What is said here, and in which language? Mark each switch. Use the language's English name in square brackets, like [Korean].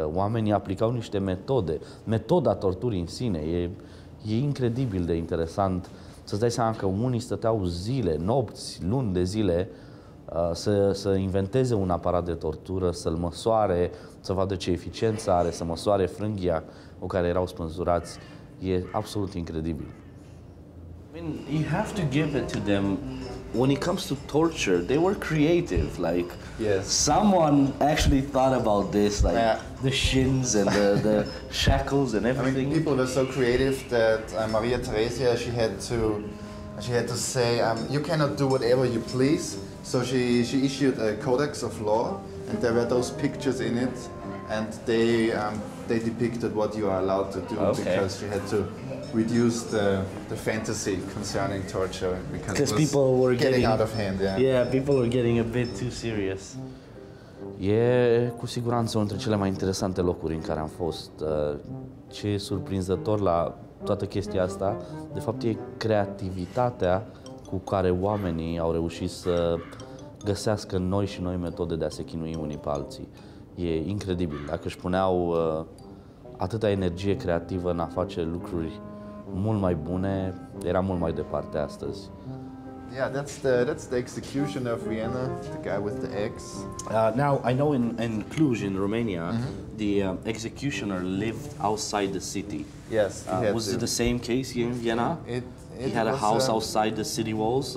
[Romanian] Oamenii aplicau niște metode. Metoda torturii în sine e incredibil de interesant. Să-ți dai seama că unii stăteau zile, nopți, luni de zile să inventeze un aparat de tortură, să-l măsoare, să vadă ce eficiență are, să măsoare frânghia cu care erau spânzurați. E absolut incredibil. [English] I mean, you have to give it to them. When it comes to torture, they were creative. Like, Someone actually thought about this, like the shins and the shackles and everything. I mean, people were so creative that Maria Theresia, she had to say, you cannot do whatever you please. So she issued a codex of law, and there were those pictures in it, and they depicted what you are allowed to do because she had to reduce the fantasy concerning torture because people were getting out of hand. Yeah. Yeah, people were getting a bit too serious. [Romanian] E cu siguranță unul dintre cele mai interesante locuri în care am fost. Ce e surprinzător la toată chestia asta, de fapt, e creativitatea cu care oamenii au reușit să găsească noi și noi metode de a se chinui unii pe alții. E incredibil. Dacă își puneau atâta energie creativă în a face lucruri mult mai bune, era mult mai departe astăzi. [English] Yeah, that's the executioner of Vienna, the guy with the X. Now, I know in Cluj, in Romania, mm-hmm. the executioner lived outside the city. Yes, It the same case here in Vienna? He had a house outside the city walls?